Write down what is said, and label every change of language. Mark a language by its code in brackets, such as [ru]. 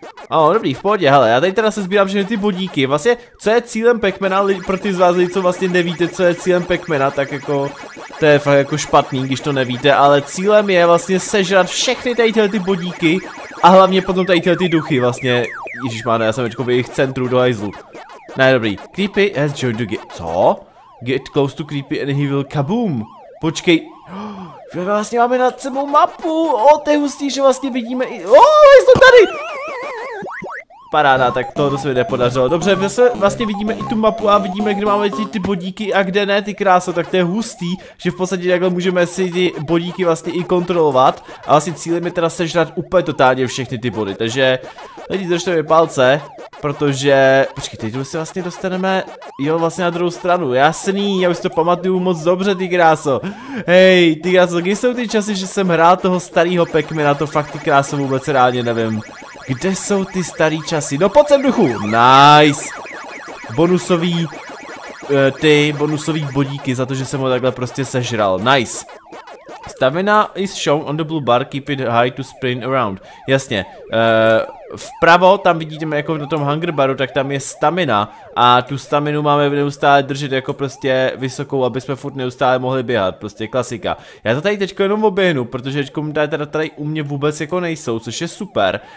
[cs] Ano, dobrý, v pohodě, hele, já tady teda se sbírám všechny ty bodíky, vlastně, co je cílem Pac-Mana, pro ty z vás, co vlastně nevíte, co je cílem Pac-Mana, tak jako, to je fakt jako špatný, když to nevíte, ale cílem je vlastně sežrat všechny tady tyhle ty bodíky a hlavně potom tady tyhle ty duchy vlastně, ježišmáne, já jsem teďko v jejich centru do hajzlu. Ne, dobrý, [en] creepy has joined the game, [cs] co? [en] Get close to creepy and he will kaboom, počkej. [cs] Oh, vlastně máme nad sebou mapu, to je hustý, že vlastně vidíme i, jsou tady! Paráda, tak to se mi nepodařilo. Dobře, vlastně vidíme i tu mapu a vidíme, kde máme ty bodíky a kde ne, ty krásy, tak to je hustý, že v podstatě takhle můžeme si ty bodíky vlastně i kontrolovat. A vlastně cílem je teda sežrat úplně totálně všechny ty body, takže lidi, držte mi palce, protože, počkej, teď se vlastně dostaneme, jo, vlastně na druhou stranu, jasný, já už si to pamatuju moc dobře, ty kráso. Hej, ty kráso, kdy jsou ty časy, že jsem hrál toho starého Pac-Mana, to fakt ty kráso vůbec reálně nevím. Kde jsou ty starý časy? No pojď sem duchu, nice. Bonusový, ty bonusový bodíky za to, že jsem ho takhle prostě sežral, nice. [en] Stamina is shown on the blue bar, keep it high to sprint around. [cs] Jasně, vpravo, tam vidíte jako na tom hunger baru, tak tam je stamina a tu staminu máme neustále držet jako prostě vysokou, aby jsme furt neustále mohli běhat, prostě klasika. Já to tady teďko jenom oběhnu, protože teďko tady u mě vůbec jako nejsou, což je super.